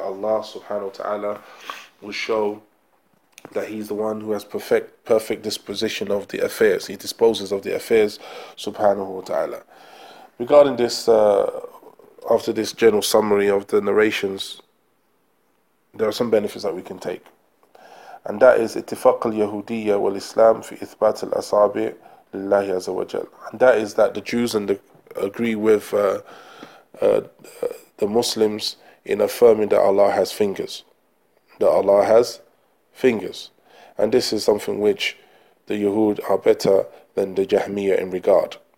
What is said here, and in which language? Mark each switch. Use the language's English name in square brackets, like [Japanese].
[English] Allah subhanahu wa ta'ala will show that he's the one who has perfect disposition of the affairs. He disposes of the affairs, subhanahu wa ta'ala. Regarding this, after this general summary of the narrations, there are some benefits that we can take. And that is [Arabic] اتفاق اليهودية والإسلام في إثبات الأصابع لله عز وجل. [English] And that is that the Jews and the agree with the Muslims in affirming that Allah has fingers. That Allah has fingers. And this is something which the Yahud are better than the Jahmiyyah in regard.